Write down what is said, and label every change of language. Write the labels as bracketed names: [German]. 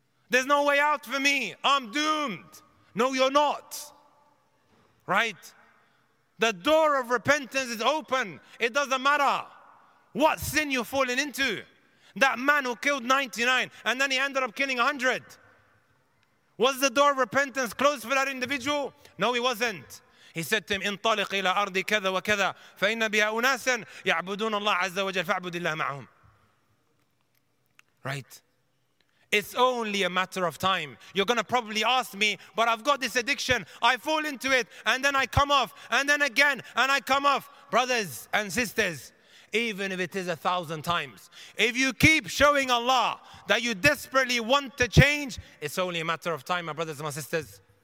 [English] There's no way out for me. I'm doomed. No, you're not. Right? The door of repentance is open. It doesn't matter what sin you've fallen into. That man who killed 99 and then he ended up killing 100. Was the door of repentance closed for that individual? No, he wasn't. He said to him, [Arabic] انطلق إلى أرض كذا وكذا فإن بها أناسا يعبدون الله عز وجل فاعبد الله معهم. [English] Right? It's only a matter of time. You're going to probably ask me, but I've got this addiction. I fall into it, and then I come off, and then again, and I come off. Brothers and sisters, even if it is 1,000 times, if you keep showing Allah that you desperately want to change, it's only a matter of time, my brothers and my sisters.